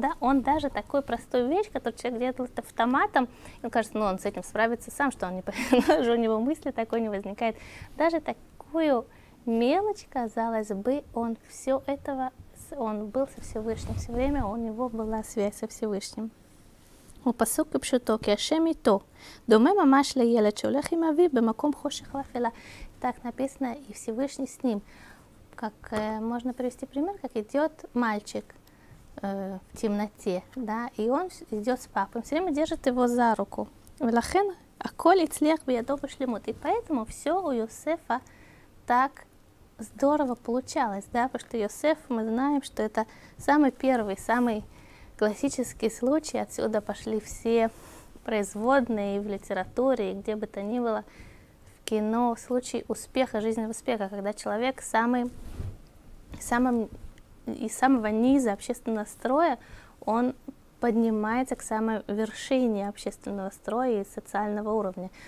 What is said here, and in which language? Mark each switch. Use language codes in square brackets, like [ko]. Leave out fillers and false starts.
[ru] Да, он даже такую простую вещь, которую человек делает автоматом, он кажется, ну он с этим справится сам, что он не понимает, у него мысли такой не возникает. Даже такую мелочь, казалось бы, он все этого, он был со Всевышним все время, у него была связь со Всевышним. [he] הוא פסוק כפשוטו, כי השם איתו, דומה ממש לילד שהולך עם אביו במקום חושך ואפלה. [ru] Так написано, и Всевышний с ним. Как можно привести пример, как идет мальчик в темноте, да, и он идет с папой, он все время держит его за руку. [he] ולכן, הכל הצליח בידו בשלמות. [ru] И поэтому все у Йосефа так здорово получалось, да, потому что Йосеф, мы знаем, что это самый классический случай, отсюда пошли все производные в литературе, и где бы то ни было, в кино, случай успеха, жизненного успеха, когда человек из самого низа общественного строя, он поднимается к самой вершине общественного строя и социального уровня.